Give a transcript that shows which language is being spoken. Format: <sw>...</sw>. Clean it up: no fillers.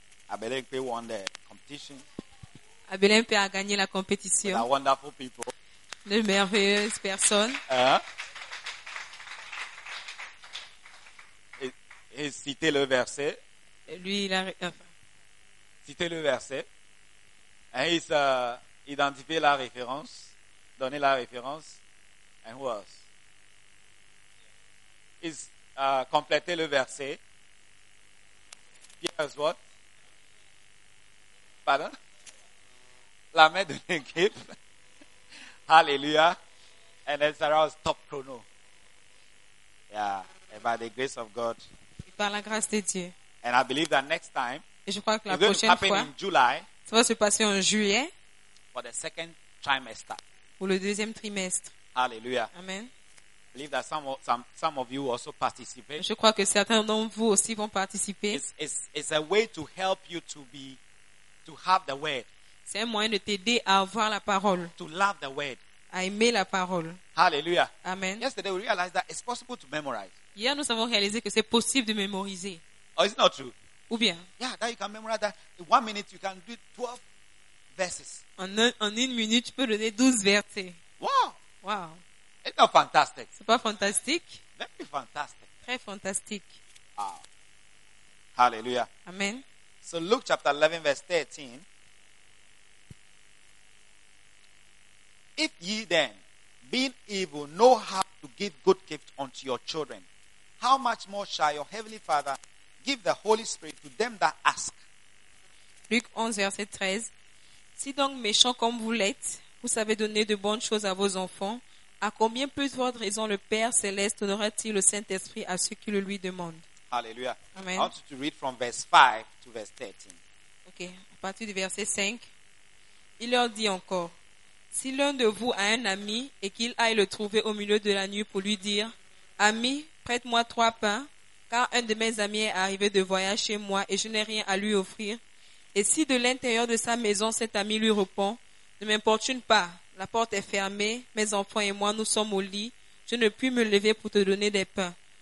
<en>Abelin P won the competition.</en> <fr>Abelin P a gagné la compétition.</fr> <en>The wonderful people.</en> <fr>De merveilleuses personnes. Et citer le verset. Lui il a. Citer le verset.</fr> <en>And he's</en> <fr>identifié la référence, donné la référence,</fr> <en>and who else? He's</en> <fr>complété le verset.</fr> <en>Pierre's what?</en> <fr>Pardon? La main de l'équipe. Hallelujah.</fr> <en>And then Sarah was top chrono. Yeah. And by the grace of God.</en> <fr>Et par la grâce de Dieu.</fr> <en>And I believe that next time,</en> <fr>et je crois que la prochaine</fr> <en>it's going to happen in July.</en> <fr>Ça va se passer en juillet.</fr> <en>For the second trimester.</en> <fr>Pour le deuxième trimestre. Hallelujah. Amen.</fr> <en>I believe that some of you also participate.</en> <fr>Je crois que certains d'entre vous aussi vont participer.</fr> <en>It's a way to help you to have the word.</en> <fr>C'est un moyen de t'aider à avoir la parole.</fr> <en>To love the word.</en> <fr>À aimer la parole. Hallelujah. Amen.</fr> <en>Yesterday we realized that it's possible to memorize.</en> <fr>Hier nous avons réalisé que c'est possible de mémoriser.</fr> <en>Oh, it's not true.</en> <fr>Ou bien.</fr> <en>Yeah, that you can memorize that. In 1 minute, you can do 12 verses.</en> <fr>En une minute, tu peux donner 12 versets.</fr> <en>Wow. Wow. It's not fantastic.</en> <fr>C'est pas fantastique.</fr> <en>Very fantastic.</en> <fr>Très fantastique.</fr> <en>Wow. Hallelujah. Amen. So Luke chapter 11 verse 13. If ye then, being evil, know how to give good gift unto your children, how much more shall your heavenly Father give the Holy Spirit to them that ask.</en> <fr>Luc 11, verset 13. Si donc méchant comme vous l'êtes, vous savez donner de bonnes choses à vos enfants, à combien plus votre raison le Père Céleste donnera-t-il le Saint-Esprit à ceux qui le lui demandent? Alléluia. Amen.</fr> <en>I want you to read from verse 5 to verse 13.</en> <fr>Ok, à partir du verset 5. Il leur dit encore, si l'un de vous a un ami et qu'il aille le trouver au milieu de la nuit pour lui dire, ami, prête-moi 3 pains, car un de mes amis est arrivé de voyage chez moi et je n'ai rien à lui offrir. Et si de l'intérieur de sa maison cet ami lui répond, ne m'importune pas, la porte est fermée, mes enfants et moi nous sommes au lit, je ne puis me lever pour te donner des pains.</fr>